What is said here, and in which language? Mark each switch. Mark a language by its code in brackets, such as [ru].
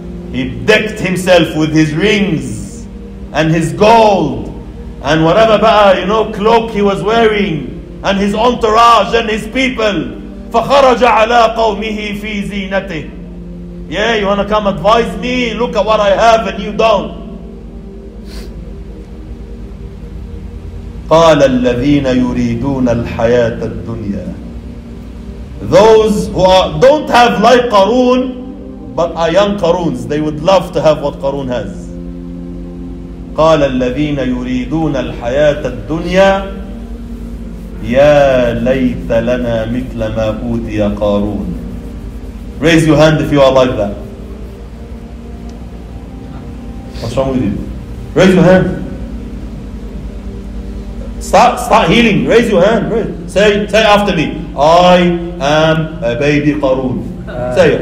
[en] He decked himself with his rings and his gold and whatever cloak he was wearing, and his entourage and his people. [ar] فَخَرَجَ عَلَىٰ قَوْمِهِ فِي زِينَتِهِ. [en] Yeah, you wanna come advise me? Look at what I have and you don't. [ar] قال الذين يريدون الحياة الدنيا. [en] Those who don't have like Qarun, but are young Qaruns, they would love to have what Qarun has. [ar] قال الذين يريدون الحياة الدنيا يا ليت لنا مثل ما أوتي قارون. [en] Raise your hand if you are like that. What's wrong with you? Raise your hand. Start healing. Raise your hand. Say after me. I am a baby Qarun. Say it.